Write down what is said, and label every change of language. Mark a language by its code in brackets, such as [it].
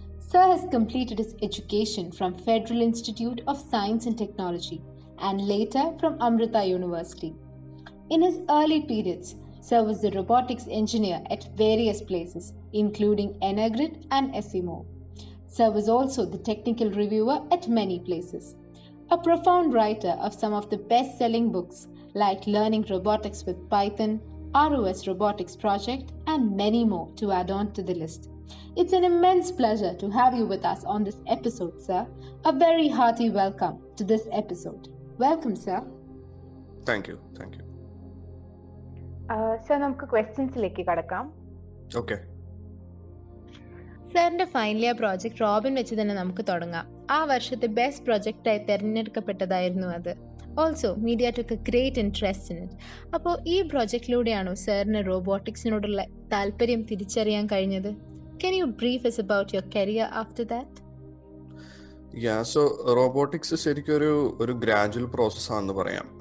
[en] Sir has completed his education from Federal Institute of Science and Technology and later from Amrita University. In his early periods sir was the robotics engineer at various places including Energrid and Asimo. Sir was also the technical reviewer at many places. A profound writer of some of the best-selling books like Learning Robotics with Python, ROS Robotics Project, and many more to add on to the list. It's an immense pleasure to have you with us on this episode, sir. A very hearty welcome to this episode. Welcome, sir. Thank you. [ml] Sir, namukku questions ilekku kadakkam. [en] Okay. [ml] സാറിന്റെ ഫൈനലിയ project Robin വെച്ച് തന്നെ നമുക്ക് തുടങ്ങാം. ആ വർഷത്തെ best പ്രോജക്റ്റായി തിരഞ്ഞെടുക്കപ്പെട്ടതായിരുന്നു അത്. [en] Also media took a great interest in it. [ml] അപ്പോൾ ഈ പ്രോജക്റ്റിലൂടെയാണോ സാറിന് റോബോട്ടിക്സിനോടുള്ള താല്പര്യം തിരിച്ചറിയാൻ കഴിഞ്ഞത്? [en] Can you brief us about your career after that? [ml] Yeah, so robotics ശരിക്കും ഒരു ഗ്രാജുവൽ പ്രോസസ് ആണെന്ന് പറയാം.